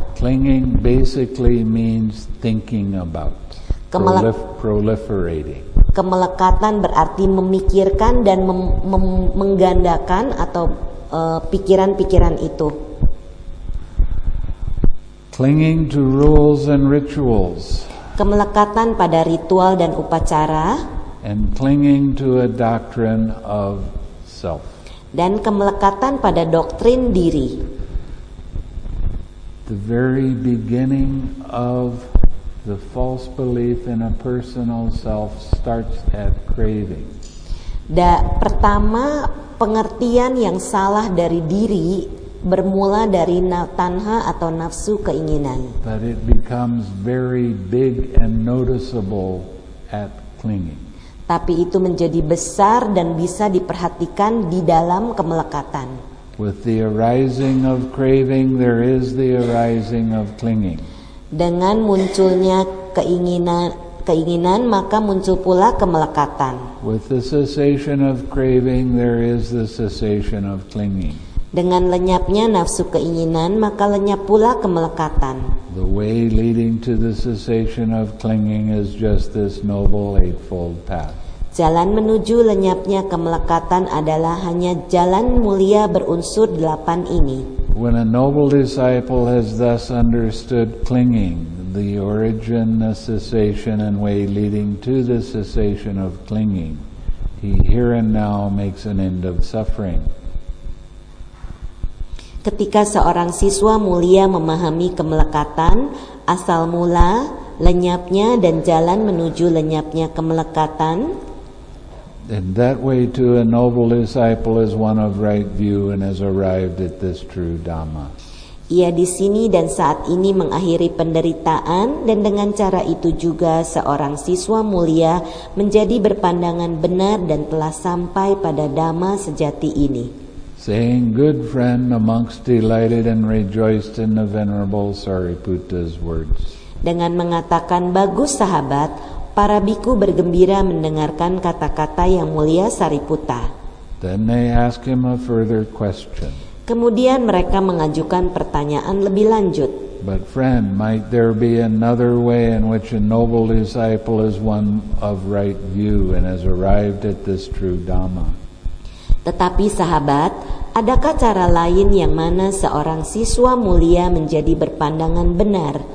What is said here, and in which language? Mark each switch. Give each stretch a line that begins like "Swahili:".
English: Clinging basically means thinking about, proliferating.
Indonesian: Kemelekatan berarti memikirkan dan menggandakan atau pikiran-pikiran itu.
English: Clinging to rules and rituals.
Indonesian: Kemelekatan pada ritual dan upacara.
English: And clinging to a doctrine of self.
Indonesian: Dan kemelekatan pada doktrin diri.
English: The very beginning of the false belief in a personal self starts at craving.
Indonesian: Pertama, pengertian yang salah dari diri bermula dari tanha atau nafsu keinginan.
English: But it becomes very big and noticeable at clinging.
Indonesian: Tapi itu menjadi besar dan bisa diperhatikan di dalam kemelekatan.
English: With the arising of craving, there is the arising of clinging.
Indonesian: Dengan munculnya keinginan maka muncul pula kemelekatan.
English: With the cessation of craving, there is the cessation of clinging.
Indonesian: Dengan lenyapnya nafsu keinginan, maka lenyap pula kemelekatan.
English: The way leading to the cessation of clinging is just this noble eightfold path.
Indonesian: Jalan menuju lenyapnya kemelekatan adalah hanya jalan mulia berunsur delapan ini.
English: When a noble disciple has thus understood clinging, the origin, the cessation, and way leading to the cessation of clinging, he here and now makes an end of suffering.
Indonesian: Ketika seorang siswa mulia memahami kemelekatan, asal mula, lenyapnya, dan jalan menuju lenyapnya kemelekatan,
English: and that way to a noble disciple is one of right view and has arrived at this true Dhamma.
Indonesian: Ia di sini dan saat ini mengakhiri penderitaan, dan dengan cara itu juga seorang siswa mulia menjadi berpandangan benar dan telah sampai pada Dhamma sejati ini.
English: Saying good friend amongst delighted and rejoiced in the venerable Sariputta's words.
Indonesian: Dengan mengatakan bagus sahabat, para bhikkhu bergembira mendengarkan kata-kata yang mulia Sariputta.
English: Then they ask him a further question.
Indonesian: Kemudian mereka mengajukan pertanyaan lebih lanjut.
English: But friend, might there be another way in which a noble disciple is one of right view and has arrived at this true Dhamma?
Indonesian: Tetapi sahabat, adakah cara lain yang mana seorang siswa mulia menjadi berpandangan benar,